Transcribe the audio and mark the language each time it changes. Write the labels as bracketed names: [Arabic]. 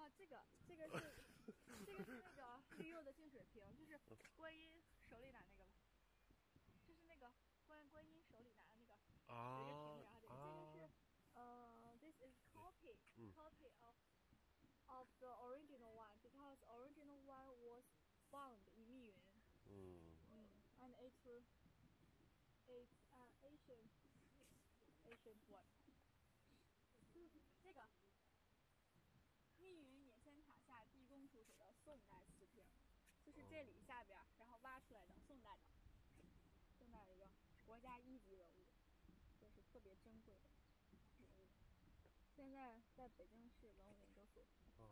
[Chinese] 啊，这个是这个是那个绿釉的净水瓶，就是观音手里拿那个，就是那个观音手里拿的那个啊， [English] 这个是 this is copy of the original one because original one was found in 密云and it's an ancient one. [Chinese] 这个密云野仙塔下地宫出土的宋代瓷瓶，就是这里下边然后挖出来的宋代的一个国家一级文物，就是特别珍贵的文物，现在在北京市文物研究所。